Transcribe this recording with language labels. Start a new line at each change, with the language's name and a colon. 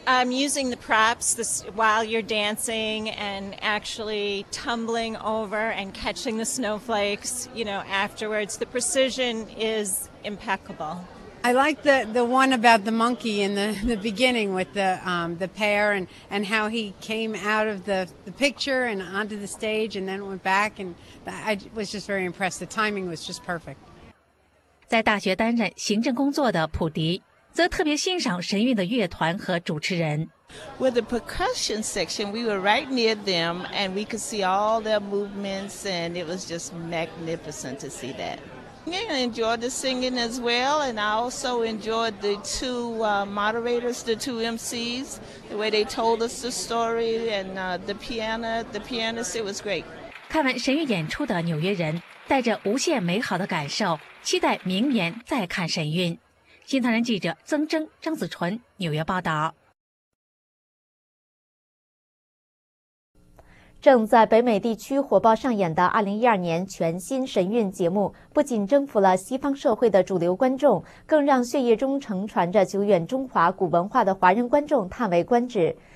English: Using the props while you're dancing and actually tumbling over and catching the snowflakes, you know, afterwards, the precision is impeccable. I like the one about the monkey in the beginning with the pair and how he came out of the picture and onto the stage and then went back. And I was just very impressed. The timing was just perfect.
Chinese: 在大学担任行政工作的普迪则特别欣赏神韵的乐团和主持人。
English: With the percussion section, we were right near them and we could see all their movements and it was just magnificent to see that. Yeah, I enjoyed the singing as well and I also enjoyed the two moderators, the two MCs, the way they told us the story and the pianist, it was great.
Chinese: 看完神韵演出的纽约人带着无限美好的感受期待明年再看神韵。新唐人记者曾征、张子纯纽约报道。正在北美地区火爆上演的2012年全新神韵节目，不仅征服了西方社会的主流观众，更让血液中承传着久远中华古文化的华人观众叹为观止。